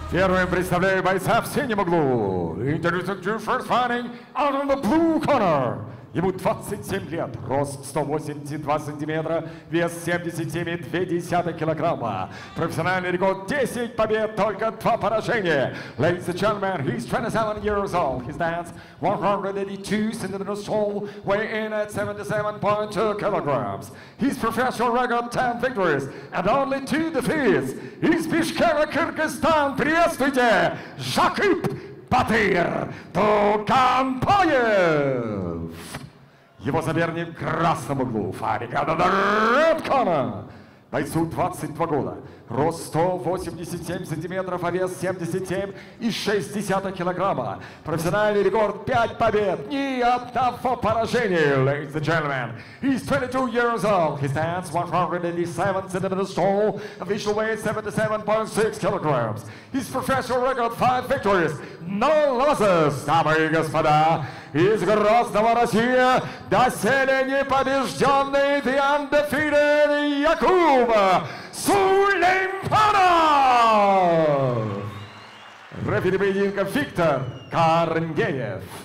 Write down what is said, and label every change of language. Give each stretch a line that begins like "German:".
Russian: Первым представляю бойца в синем углу.
English: Introducing you first fighting out of the blue corner.
Russian: Ему 27 лет, рост 182 сантиметра, вес 77,2 килограмма. Профессиональный рекорд 10 побед, только 2 поражения.
English: Ladies and gentlemen, he's 27 years old. His stands 182 centimeters tall, weigh in at 77.2 kilograms. His professional record 10 victories and only 2 defeats.
Russian: Из Бишкека, Кыргызстан, приветствуйте, Жакып Батыр Туканбаев! Его соперник в красном углу, Фарика Дредкона. Бойцу 22 года, рост 187 сантиметров, а вес 77,6 килограмма. Профессиональный рекорд 5 побед, ни одного поражения.
English: Ladies and gentlemen, he's 22 years old. He stands 187 centimeters tall, official weight 77.6 kilograms. His professional record 5 victories, no losses.
Russian: Дамы и господа, из Грозного России доселе непобежденный,
English: the undefeated
Russian: Якуб Сулейманов! Рефери поединка Виктор Карнгеев.